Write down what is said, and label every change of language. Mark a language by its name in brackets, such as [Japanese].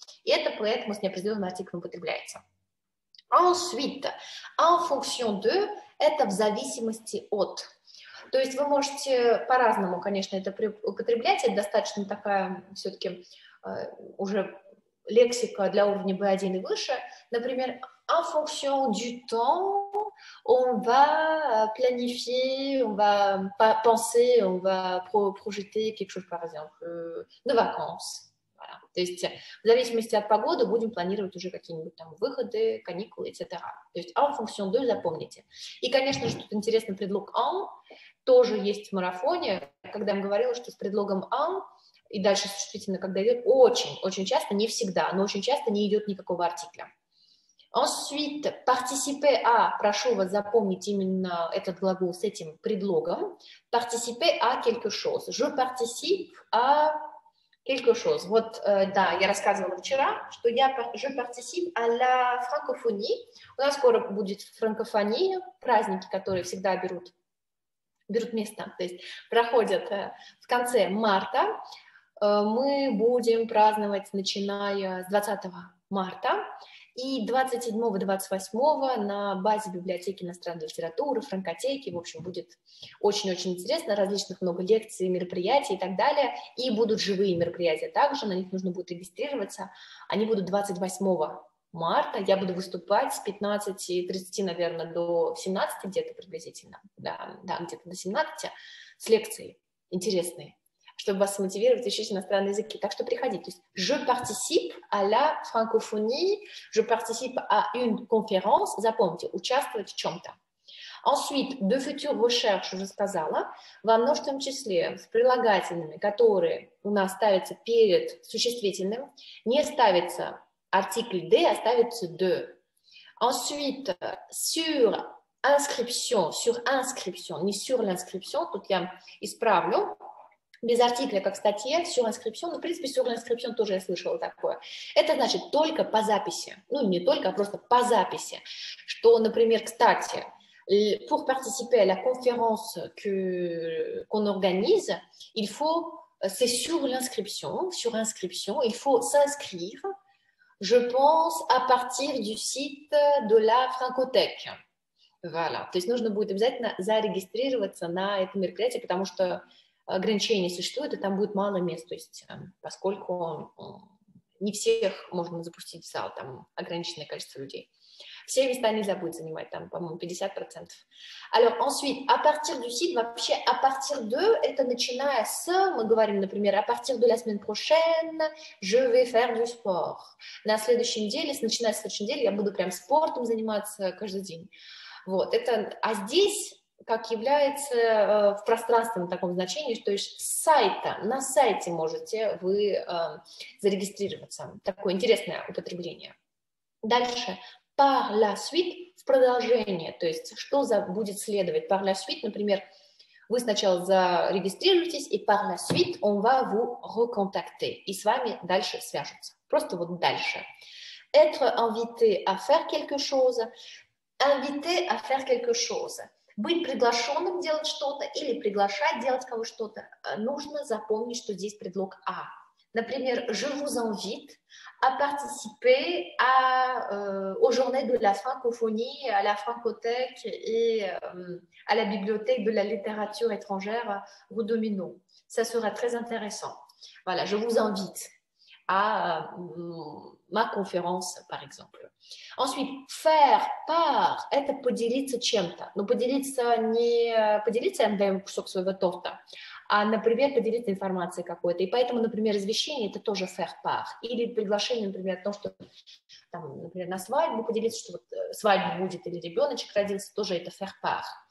[Russian] И это поэтому с неопределенным артиклем употребляется. [French] Ensuite, en fonction de, [Russian] это в зависимости от. То есть вы можете по-разному, конечно, это употреблять, это достаточно такая все-таки уже лексика для уровня B1 и выше. [French] Например, en fonction du temps, on va planifier, on va penser, on va projeter quelque chose, par exemple, de vacances. Voilà. [Russian] То есть, в зависимости от погоды, будем планировать уже какие-нибудь там выходы, каникулы, etc. То есть, [French] en fonction de, [Russian] запомните. И, конечно же, тут интересный предлог en тоже есть в марафоне, когда я им говорила, что с предлогом en и дальше существительно, когда идет, очень-очень часто, не всегда, но очень часто не идет никакого артикля. [French] Ensuite, participer à, [Russian] прошу вас запомнить именно этот глагол с этим предлогом. [French] Participer à quelque chose. Je participe à quelque chose. [Russian] Вот, да, я рассказывала вчера, что я [French] je participe à la francophonie. [Russian] У нас скоро будет франкофония, праздники, которые всегда берут место, то есть проходят в конце марта. Мы будем праздновать, начиная с 20 марта. И 27-28 на базе библиотеки иностранной литературы, франкотеки, в общем, будет очень-очень интересно, различных много лекций, мероприятий и так далее, и будут живые мероприятия также, на них нужно будет регистрироваться, они будут 28 марта, я буду выступать с 15:30, наверное, до 17 где-то приблизительно, да, где-то до 17 с лекцией интересной, чтобы вас мотивировать учить иностранные языки. Так что приходите. То есть, [French] je participe à la francophonie, je participe à une conférence. [Russian] Запомните, участвовать в чем-то. [French] Ensuite, de future recherche, [Russian] уже сказала, во множественном числе с прилагательными, которые у нас ставятся перед существительным, не ставится артикль de, а ставится de. [French] Ensuite, sur inscription, sur inscription, [Russian] не [French] sur l'inscription, [Russian] тут я исправлю, без артикля, как статья, sur inscription, ну, в принципе, sur inscription тоже я слышала такое. Это значит только по записи, ну, не только, а просто по записи, что, например, кстати, [French] pour participer à la conférence qu'on organise, il faut, c'est sur inscription, il faut s'inscrire, je pense, à partir du site de la Francothèque. Voilà. [Russian] То есть нужно будет обязательно зарегистрироваться на это мероприятие, потому что ограничения существуют, и там будет мало мест, то есть, поскольку не всех можно запустить в зал, там ограниченное количество людей. Все места нельзя будет занимать, там, по-моему, 50%. [French] Alors, ensuite, à partir du site, [Russian] вообще, [French] à partir de, [Russian] это начиная с, мы говорим, например, [French] à partir de la semaine prochaine, je vais faire du sport. [Russian] На следующей неделе, начиная с следующей недели, я буду прям спортом заниматься каждый день. Вот, это, а здесь как является в пространственном таком значении, что из сайта, на сайте можете вы зарегистрироваться. Такое интересное употребление. Дальше. [French] Par la suite в продолжение. [Russian] То есть что за, будет следовать? [French] Par la suite, [Russian] например, вы сначала зарегистрируетесь, и [French] par la suite on va vous recontacter. [Russian] И с вами дальше свяжутся. Просто вот дальше. [French] Être invité à faire quelque chose. Invité à faire quelque chose. [Russian] Быть приглашенным делать что-то или приглашать делать кого-то что-то, нужно запомнить, что здесь предлог «а». Например, [French] «je vous invite à participer à, aux journées de la francophonie, à la francothèque et à la bibliothèque de la littérature étrangère au domino». Ça sera très intéressant. Voilà, «je vous invite à ma conférence, par exemple». Ensuite, faire part, [Russian] это поделиться чем-то. Но поделиться не поделиться, я даю кусок своего торта, а, например, поделиться информацией какой-то. И поэтому, например, извещение – это тоже faire part. Или приглашение, например, о том, что, там, например, на свадьбу поделиться, что вот свадьба будет или ребеночек родился, тоже это faire part.